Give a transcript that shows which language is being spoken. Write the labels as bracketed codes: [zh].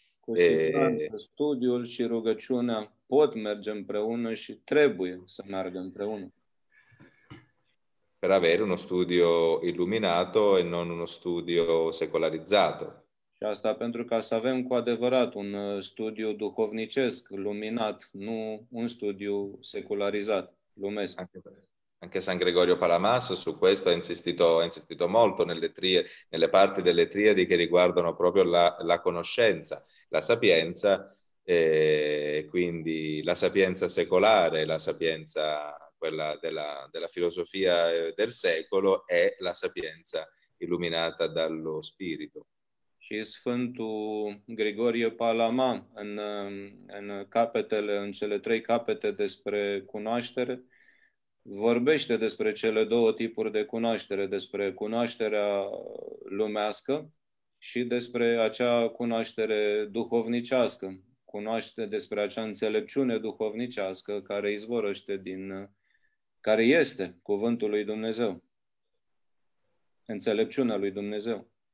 [ro] Cu siguranță, studiul și rugăciunea pot merge împreună și trebuie să meargă împreună. [it] Per avere uno studio illuminato e non uno studio secolarizzato. [ro] Și asta pentru ca să avem cu adevărat un studiu duhovnicesc, luminat, nu un studiu secularizat, lumesc. [it] Anche San Gregorio Palamas su questo ha insistito molto nelle parti delle triadi che riguardano proprio la conoscenza, la sapienza, quindi la sapienza secolare, la sapienza. Quella della filosofia del secolo è la sapienza illuminata dallo spirito. [ro] Și Sfântul Grigorie Palama, în capetele, în cele trei capete despre cunoaștere, vorbește despre cele două tipuri de cunoaștere, despre cunoașterea lumească și despre acea cunoaștere duhovnicească, despre acea înțelepciune duhovnicească care izvorăște care este cuvântul lui Dumnezeu, înțelepciunea lui Dumnezeu.